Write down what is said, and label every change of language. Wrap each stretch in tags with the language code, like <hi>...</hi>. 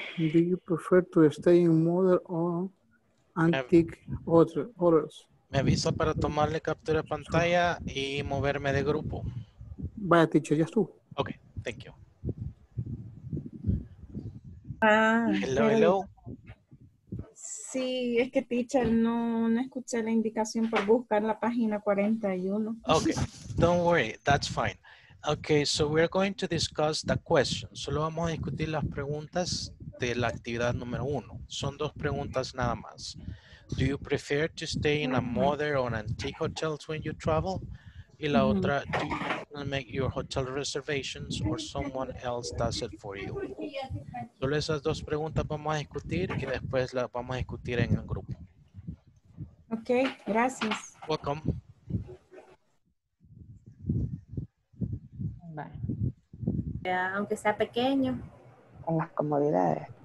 <en>Do you prefer to stay in modern or antique hotels?</en> <es>Me avisa para tomarle captura de pantalla y moverme de grupo. Vaya, teacher, ya estuvo.</es> <en>Ok, thank you. Hello.</en> <es>Sí, es que teacher, no escuché la indicación por buscar la página 41.</es> <en>Ok, don't worry, that's fine. Ok, so we're going to discuss the question.</en> <es>Solo vamos a discutir las preguntas de la actividad número 1. Son 2 preguntas nada más.</es> <en>Do you prefer to stay in a modern or antique hotels when you travel?</en> <es>Y la otra,</es> <en>do you make your hotel reservations or someone else does it for you?</en> <es>Solo esas 2 preguntas vamos a discutir y después las vamos a discutir en el grupo. Ok, gracias.</es> <en>Welcome.</en> <es>Bye. Ya, aunque sea pequeño. Con las comodidades.</es>